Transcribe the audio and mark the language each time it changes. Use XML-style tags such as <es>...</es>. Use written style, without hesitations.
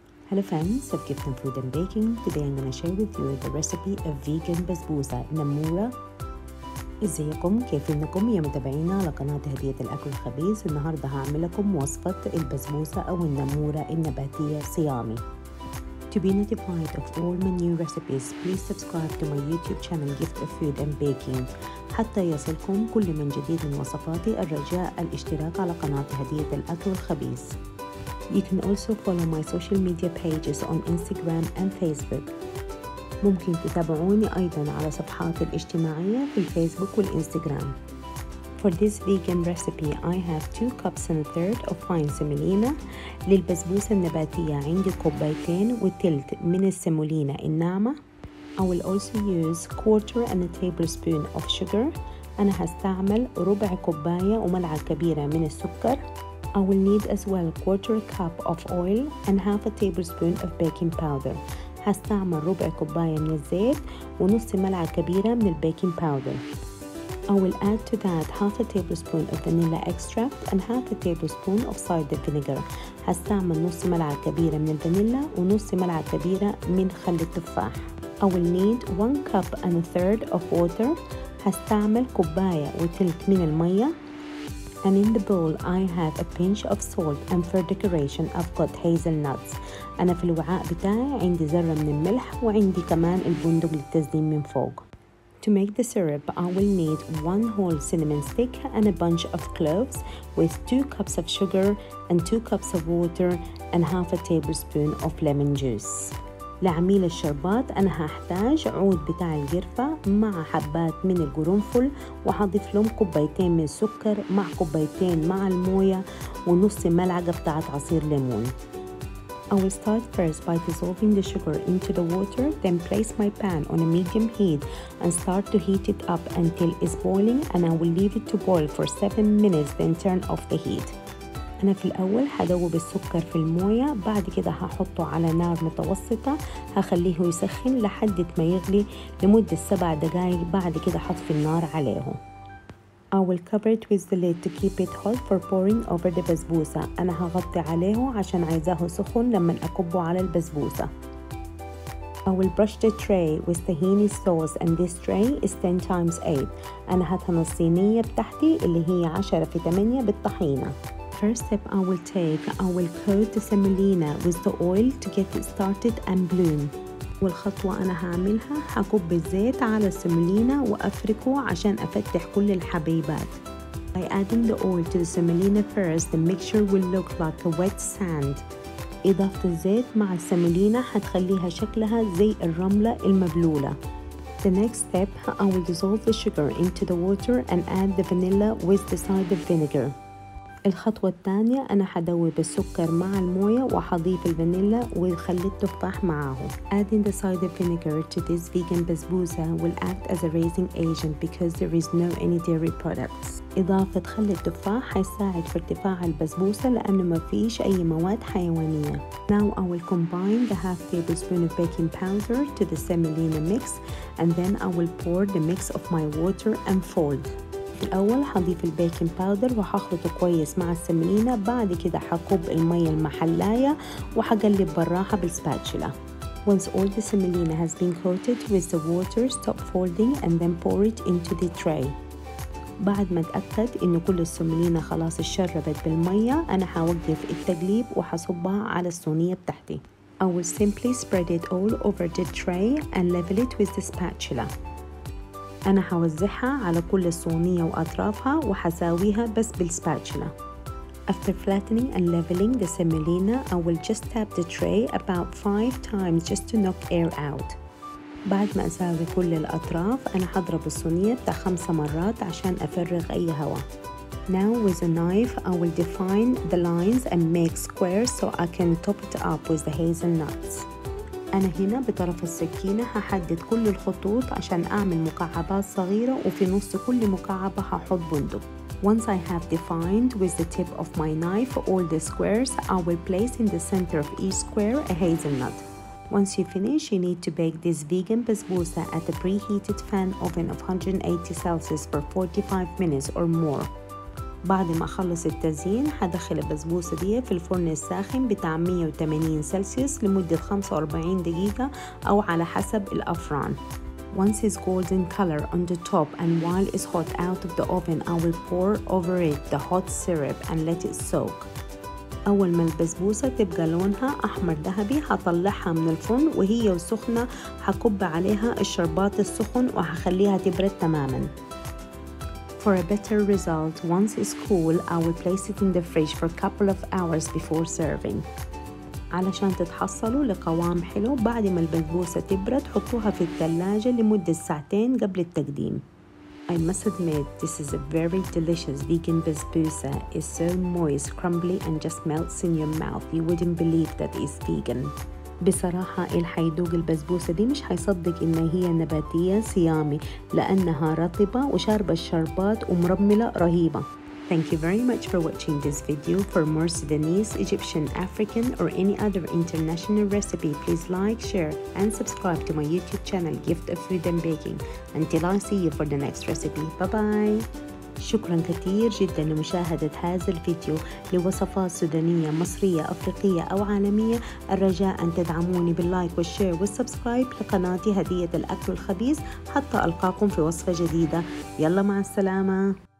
<en>Hello friends of Gift and Food and Baking. Today I'm going to share with you the recipe of vegan basbousa نمورة.</en> <ar>ازيكم كيفينكم يا متابعينا على قناة هدية الأكل الخبيز. النهاردة هعملكم وصفة البسبوسة أو النمورة النباتية صيامي.</ar> <en>To be notified of all my new recipes, please subscribe to my YouTube channel Gift of Food and Baking.</en> <ar>حتى يصلكم كل من جديد من وصفاتي الرجاء الاشتراك على قناة هدية الأكل الخبيز.</ar> <en>You can also follow my social media pages on Instagram and Facebook.</en> <ar>ممكن تتابعوني أيضا على صفحاتي الاجتماعية في الفيسبوك والإنستغرام.</ar> <en>For this vegan recipe, I have 2 cups and 1/3 of fine semolina.</en> <ar>للبسبوسة النباتية عندي</ar> <en>2 cups and 1/3</en> <ar>من السيمولينا الناعمة.</ar> <en>I will also use 1/4 tablespoon of sugar.</en> <ar>أنا هستعمل 1/4 cup وملعقة كبيرة من السكر.</ar> <en>I will need as well 1/4 cup of oil and 1/2 tablespoon of baking powder.</en> <ar>هستعمل 1/4 cup من الزيت ونص ملعقة كبيرة من البيكنج باودر.</ar> <en>I will add to that 1/2 tablespoon of vanilla extract and 1/2 tablespoon of cider vinegar.</en> <ar>هستعمل نص ملعقة كبيرة من الفانيلا ونص ملعقة كبيرة من خل التفاح.</ar> <en>I will need 1 cup and 1/3 of water.</en> <ar>هستعمل 1/4 cup من المية.</ar> <en>And in the bowl, I have a pinch of salt, and for decoration, I've got hazelnuts.</en> <ar>أنا في الوعاء بتاعي عندي ذرة من الملح وعندي كمان البندق للتزيين من فوق.</ar> <en>To make the syrup, I will need 1 whole cinnamon stick and a bunch of cloves, with 2 cups of sugar and 2 cups of water and 1/2 tablespoon of lemon juice.</en> <ar>لعميل الشربات أنا هحتاج عود بتاع القرفة مع حبات من القرنفل وهضيف لهم 2 cups من السكر مع 2 cups مع الموية ونص ملعقة بتاعة عصير ليمون.</ar> <en>I will start first by dissolving the sugar into the water, then place my pan on a medium heat and start to heat it up until it's boiling, and I will leave it to boil for 7 minutes, then turn off the heat.</en> <ar>أنا في الأول هذوب السكر في الموية، بعد كده هحطه على نار متوسطة، هخليه يسخن لحد ما يغلي لمدة 7 دقائق، بعد كده هطفي النار عليه.</ar> <en>I will cover it with the lid to keep it hot for pouring over the بسبوسة.</en> <ar>أنا هغطي عليه عشان عايزاه سخن لما أكبه على البسبوسة.</ar> <en>I will brush the tray with tahini sauce, and this tray is 10 × 8.</en> <ar>أنا هطحن الصينية بتاعتي اللي هي 10×8 بالطحينة.</ar> <en>First step I will take, I will coat the semolina with the oil to get it started and bloom.</en> <ar>والخطوة أنا هعملها هكب الزيت على السيمولينا وأفركه عشان أفتح كل الحبيبات.</ar> <en>By adding the oil to the semolina first, the mixture will look like a wet sand.</en> <ar>إضافة الزيت مع السيمولينا هتخليها شكلها زي الرملة المبلولة.</ar> <en>The next step, I will dissolve the sugar into the water and add the vanilla with the cider vinegar.</en> <ar>الخطوة الثانية أنا هدوب السكر مع الموية وحضيف الفانيلا وخلي التفاح معه.</ar> <en>Adding the cider vinegar to this vegan basbousa will act as a raising agent because there is no any dairy products.</en> <ar>إضافة خل التفاح هيساعد في ارتفاع البسبوسة لأنه ما فيش أي مواد حيوانية.</ar> <en>Now I will combine the 1/2 tablespoon of baking powder to the semolina mix, and then I will pour the mix of my water and fold.</en> <ar>في الأول هضيف البيكنج باودر وهخلطه كويس مع السمنينة، بعد كده هكب المية المحلاية وهقلب براحة بالسباتشولا.</ar> <en>Once all the semolina has been coated with the water, stop folding and then pour it into the tray.</en> <ar>بعد ما اتأكد إن كل السمنينة خلاص اتشربت بالمية، أنا هوقف التقليب وهصبها على الصينية بتاعتي.</ar> <en>I will simply spread it all over the tray and level it with the spatula.</en> <ar>أنا هوزعها على كل الصينية وأطرافها وحساويها بس بالسباتشولا.</ar> <en>After flattening and leveling the semolina, I will just tap the tray about 5 times just to knock air out.</en> <ar>بعد ما أساوي كل الأطراف، أنا هضرب الصينية 5 مرات عشان أفرغ أي هواء.</ar> <en>Now with a knife, I will define the lines and make squares so I can top it up with the hazelnuts.</en> <ar>أنا هنا بطرف السكينة هحدد كل الخطوط عشان أعمل مكعبات صغيرة، وفي نص كل مكعبة هحط بندق.</ar> <en>Once I have defined with the tip of my knife all the squares, I will place in the center of each square a hazelnut. Once you finish, you need to bake this vegan basbousa at a preheated fan oven of 180 Celsius for 45 minutes or more.</en> <ar>بعد ما أخلص التزيين هدخل البسبوسة دي في الفرن الساخن بتاع 180 سلسيوس لمدة 45 دقيقة أو على حسب الأفران.</ar> <en>Once it's golden color on the top and while it's hot out of the oven, I will pour over it the hot syrup and let it soak.</en> <ar>أول ما البسبوسة تبقى لونها أحمر ذهبي هطلعها من الفرن وهي سخنة هكب عليها الشربات السخن وهخليها تبرد تماما.</ar> <en>For a better result, once it's cool, I will place it in the fridge for a couple of hours before serving.</en> <ar>علشان تتحصلوا لقوام حلو بعد ما البسبوسة تبرد حطوها في الثلاجة لمدة ساعتين قبل التقديم.</ar> <en>I must admit, this is a very delicious vegan basbousa. It's so moist, crumbly, and just melts in your mouth. You wouldn't believe that it's vegan.</en> <ar>بصراحة اللي حيدوق البسبوسة دي مش حيصدق إن هي نباتية صيامي لأنها رطبة وشاربة الشربات ومرملة رهيبة.</ar> <en>Thank you very much for watching this video. For more Sudanese, Egyptian, African, or any other international recipe, please like, share, and subscribe to my YouTube channel, Gift of Food and Baking. Until I see you for the next recipe. Bye-bye.</en> <ar>شكرا كثير جدا لمشاهدة هذا الفيديو. لوصفات سودانية مصرية أفريقية أو عالمية، الرجاء أن تدعموني باللايك والشير والسبسكرايب لقناتي هدية الأكل الخبيث حتى ألقاكم في وصفة جديدة. يلا مع السلامة.</ar>